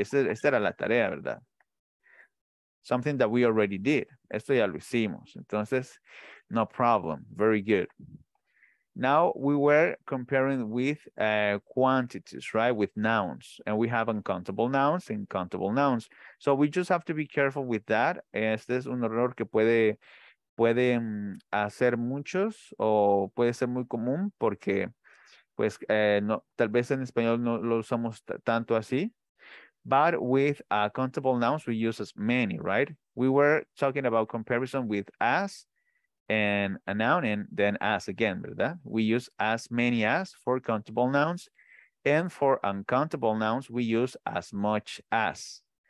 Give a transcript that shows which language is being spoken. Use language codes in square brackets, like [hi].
[es] Esta era la tarea, ¿verdad? [en] Something that we already did. [es] Esto ya lo hicimos. Entonces, [en] no problem. Very good. Now we were comparing with quantities, right? With nouns, and we have uncountable nouns and countable nouns. So we just have to be careful with that. [es] Este es un error que puede hacer muchos o puede ser muy común porque pues no, tal vez en español no lo usamos tanto así. [en] But with countable nouns, we use as many, right? We were talking about comparison with as and a noun, and then as again, ¿verdad? We use as many as for countable nouns, and for uncountable nouns, we use as much as.